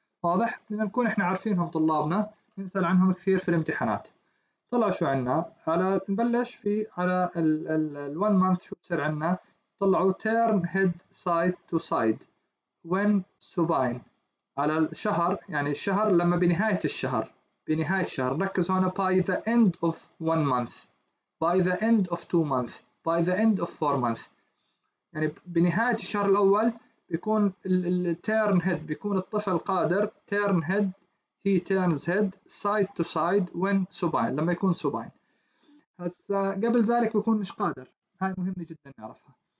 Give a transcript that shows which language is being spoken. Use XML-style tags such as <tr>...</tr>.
<ar>واضح؟ بدنا نكون إحنا عارفينهم طلابنا، ننسأل عنهم كثير في الامتحانات. طلع شو عنا؟ على نبلش في على ال one month شو تصير عنا؟ طلعوا</ar> <en>turn head side to side when supine</en> <ar>على الشهر، يعني الشهر لما بنهاية الشهر، بنهاية الشهر. ركز هنا</ar> <en>by the end of one month، by the end of two month، by the end of 4 months.</en> <ar>يعني بنهاية الشهر الأول بيكون ال turn head، بيكون الطفل قادر turn head،</ar> <en>he turns head side to side when supine،</en> <ar>لما يكون supine. هسا قبل ذلك بيكون مش قادر، هاي مهمة جدا نعرفها.</ar>